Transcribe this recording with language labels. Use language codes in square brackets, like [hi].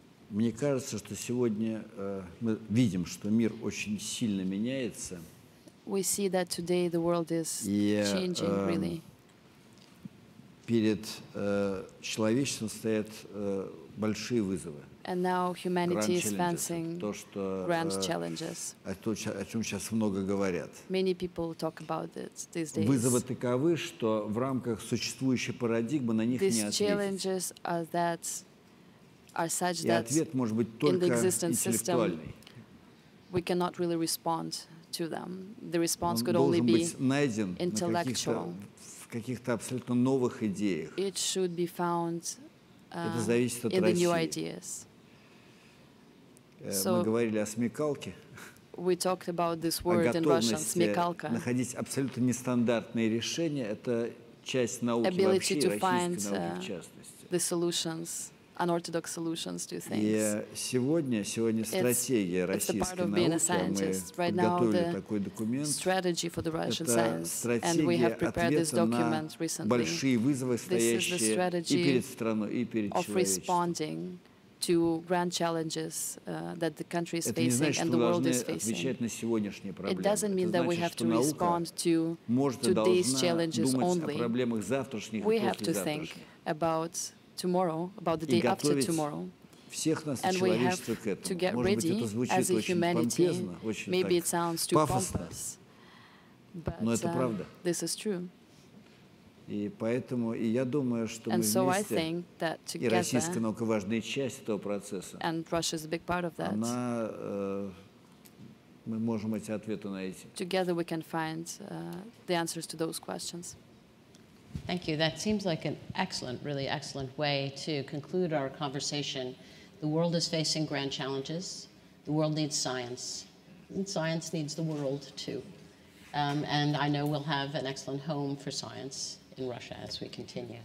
[ru] Мне кажется, что сегодня мы видим, что мир очень сильно меняется. [en] We see that today the world is changing, really. [ru] Перед человечеством стоят большие вызовы. [en] And now humanity is facing grand challenges. [ru] О чем сейчас много говорят. [en] Many people talk about it these days. [ru] Вызовы таковы, что в рамках существующей парадигмы на них не ответить. [en] These challenges are that are such that in the existing system, we cannot really respond to them. The response could only be intellectual. [ru] В каких-то абсолютно новых идеях. [en] It should be found in the new ideas. [ru] So мы говорили о смекалке. [en] We talked about this word in Russian, смекалка. [ru] Находить абсолютно нестандартные решения – это часть науки вообще, российской науки в частности. [en] The solutions unorthodox solutions to things. [ru] Сегодня стратегия российской науки. [en] Right now, the strategy for the Russian science, and we have prepared this document recently. This is the strategy of responding to grand challenges that the country is facing and the world is facing. It doesn't mean that we have to respond to these challenges only. We have to think about tomorrow, about the day after tomorrow, and we have to get ready as a humanity. Maybe it sounds too pompous, but this is true. [ru] И поэтому, и я думаю, что [en] and [ru] мы [en] so [ru] вместе, [en] I think that together, [ru] и российская наука важная часть этого процесса, [en] and Russia is a big part of that, [ru] она, мы можем эти ответы найти. [en] Together we can find the answers to those questions. Thank you. That seems like an excellent, really excellent way to conclude our conversation. The world is facing grand challenges. The world needs science. And science needs the world, too. And I know we'll have an excellent home for science in Russia as we continue.